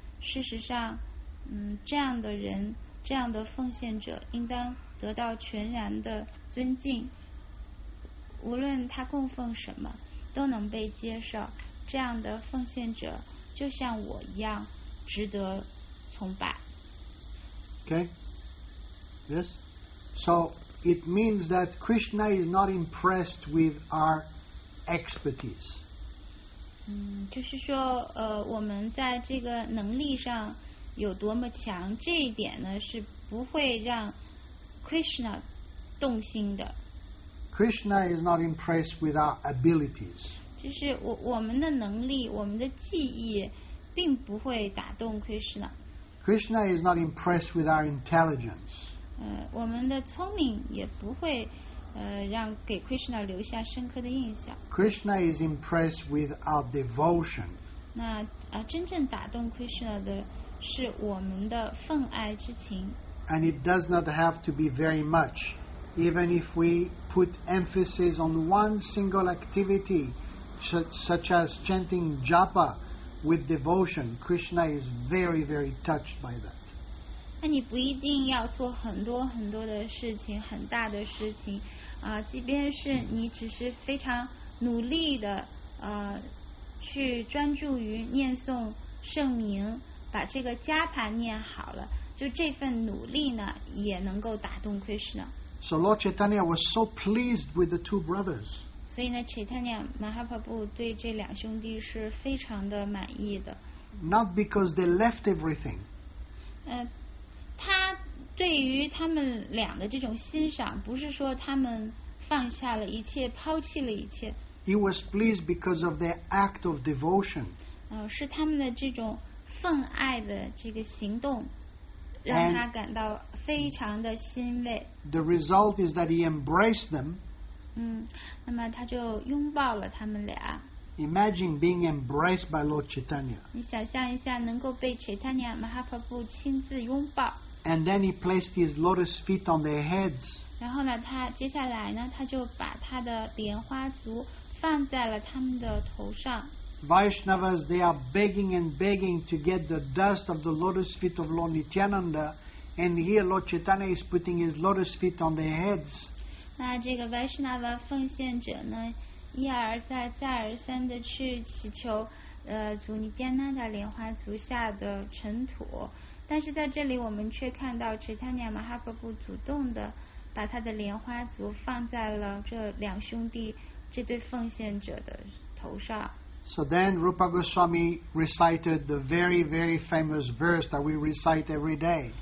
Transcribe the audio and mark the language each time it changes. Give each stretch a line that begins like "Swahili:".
Chinese: 事实上，这样的人，这样的奉献者应当得到全然的尊敬，无论他供奉什么都能被接受，这样的奉献者就像我一样值得崇拜。
English: Okay. Yes. So it means that Krishna is not impressed with our expertise.
Chinese: 就是说我们在这个能力上有多么强，这一点呢是不会让 Krishna 动心的。
English: Krishna is not impressed with our abilities.
Chinese: 就是我们的能力，我们的技艺并不会打动 Krishna.
English: Krishna is not impressed with our intelligence.
Chinese: 我们的聪明也不会让给 Krishna 留下深刻的印象。
English: Krishna is impressed with our devotion.
Chinese: 那真正打动 Krishna 的是我们的奉爱之情。
English: And it does not have to be very much. Even if we put emphasis on one single activity, such as chanting japa with devotion, Krishna is very, very touched by that.
Chinese: 那你不一定要做很多很多的事情，很大的事情，即便是你只是非常努力的，去专注于念诵圣名，把这个加盘念好了，就这份努力呢，也能够打动 Krishna.
English: So Lord Chaitanya was so pleased with the two brothers.
Chinese: 所以呢 ，Chaitanya Mahaprabhu 对这两兄弟是非常的满意的。
English: Not because they left everything.
Chinese: 他对于他们俩的这种欣赏，不是说他们放下了一切，抛弃了一切。
English: He was pleased because of their act of devotion.
Chinese: 是他们的这种奉爱的这个行动让他感到非常的欣慰。
English: The result is that he embraced them.
Chinese: 那么他就拥抱了他们俩。
English: Imagine being embraced by Lord Chaitanya.
Chinese: 你想象一下能够被 Chaitanya Mahaprabhu 亲自拥抱。
English: And then he placed his lotus feet on their heads.
Chinese: 然后呢他接下来呢他就把他的莲花足放在了他们的头上。
English: Vaishnavas, they are begging and begging to get the dust of the lotus feet of Lord Nityananda, and here Lord Chaitanya is putting his lotus feet on their heads.
Chinese: 那这个 Vaishnava 奉献者呢，一而再，再而三的去祈求，主尼迦那的莲花足下的尘土，但是在这里我们却看到 Chaitanya Mahaprabhu 主动的把他的莲花足放在了这两兄弟这对奉献者的头上。
English: So then Rupa Goswami recited the very, very famous verse that we recite every day.